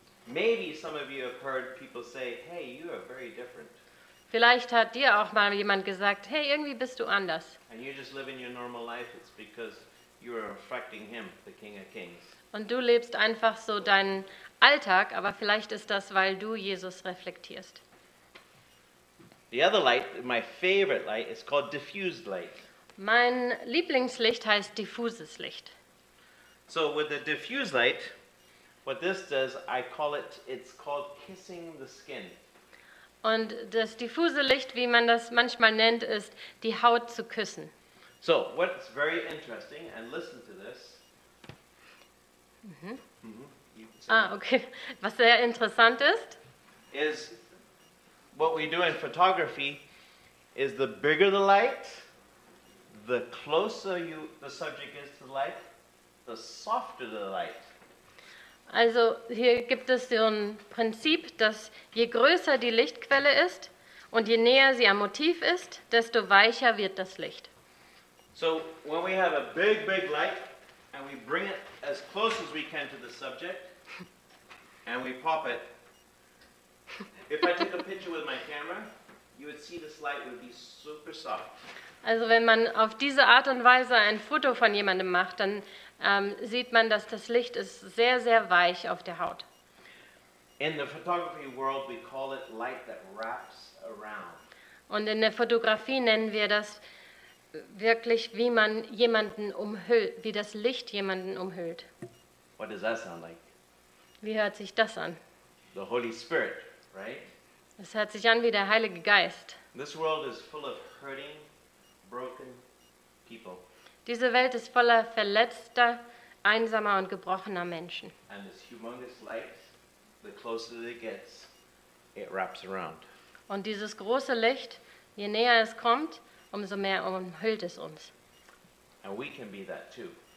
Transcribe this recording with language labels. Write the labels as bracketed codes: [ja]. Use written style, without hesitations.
[en] Maybe some of you have heard people say, hey, you are very different. [de] Vielleicht hat dir auch mal jemand gesagt, hey, irgendwie bist du anders. [en] And you're just living your normal life, it's because you're reflecting him, the King of Kings. [de] Und du lebst einfach so deinen Alltag, aber vielleicht ist das, weil du Jesus reflektierst. [en] The other light, my favorite light, is called diffused light. [de] Mein Lieblingslicht heißt diffuses Licht. [en] So with the diffused light, what this does, I call it, it's called kissing the skin. [de] Und das diffuse Licht, wie man das manchmal nennt, ist die Haut zu küssen. [en] So, what's very interesting, and listen to this. [de] Okay. Was sehr interessant ist. [en] Is what we do in photography is the bigger the light, the closer the subject is to the light, the softer the light. [de] Also hier gibt es so ein Prinzip, dass je größer die Lichtquelle ist und je näher sie am Motiv ist, desto weicher wird das Licht. [en] So when we have a big, big light and we bring it as close as we can to the subject and we pop it, if I took a picture with my camera, you would see this light would be super soft. [de] Also wenn man auf diese Art und Weise ein Foto von jemandem macht, dann sieht man, dass das Licht ist sehr, sehr weich auf der Haut. [en] In the photography world, we call it light that wraps around. [de] Und in der Fotografie nennen wir das wirklich, wie man jemanden umhüllt, wie das Licht jemanden umhüllt. [en] What does that sound like? [de] Wie hört sich das an? [en] The Holy Spirit, right? [de] Es hört sich an wie der Heilige Geist. [en] This world is full of hurting, broken people. [de] Diese Welt ist voller verletzter, einsamer und gebrochener Menschen. [en] And this humongous light, the closer it gets, it wraps around. [de] Und dieses große Licht, je näher es kommt, umso mehr umhüllt es uns. [en] And we can be that too.